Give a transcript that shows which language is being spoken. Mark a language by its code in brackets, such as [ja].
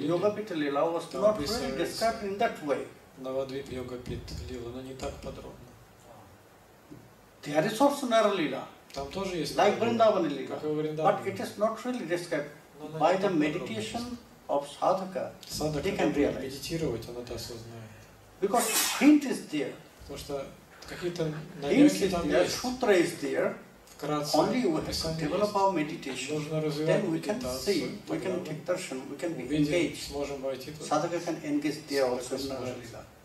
[en] Yogapit Lila was not really described in that way. [ru] Navadvip Yogapit Lila, но не так подробно. [en] There is also Nara Lila. [ru] Там тоже есть. [en] Like Vrindavan Lila. But it is not really described by the meditation of Sadhaka. Sadhaka can realize. [ru] Медитировать он это осознает. [en] Because hint is there. [ru] Потому что какие-то намеки там есть. [en] Sutra is there. Only we have to develop our meditation, then we can see, we can take darshan, we can be engaged. Sadhaka can engage there also in Nara Lila.